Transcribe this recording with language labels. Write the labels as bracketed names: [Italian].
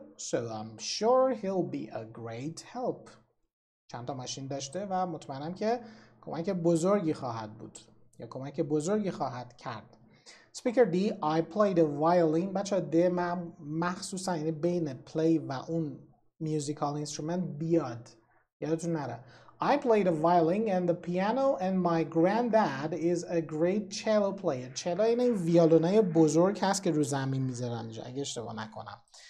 [English] So I'm sure he'll be a great help. [Persian] چند تا ماشین داشته و مطمئنم که کمک بزرگی خواهد بود. یا کمک بزرگی خواهد کرد. [English] Speaker D. I play the violin. [Persian] بچه ها ده من مخصوصا یعنی بین play و اون musical instrument بیاد. یادتون نره. [English] I play the violin and the piano and my granddad is a great cello player. [Persian] Cello یعنی ویالونای بزرگ هست که رو زمین میذارن اینجا اگه اشتباه نکنم.